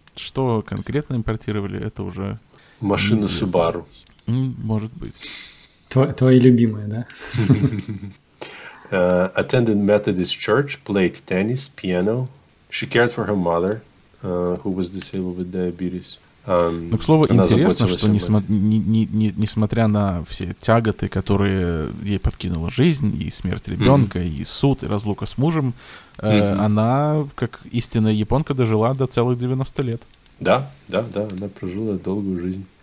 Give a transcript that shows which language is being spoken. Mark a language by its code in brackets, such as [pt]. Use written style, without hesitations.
[ru] Что конкретно импортировали, это уже... Машина Subaru. Может быть. Твои любимые, да? [en] Attended Methodist Church, played tennis, piano. She cared for her mother, who was disabled with diabetes. [ru] Ну, к слову, интересно, что несмотря на все тяготы, которые ей подкинула жизнь, и смерть ребенка, и суд, и разлука с мужем, она, как истинная японка, дожила до целых 90 лет. Да, она прожила долгую жизнь.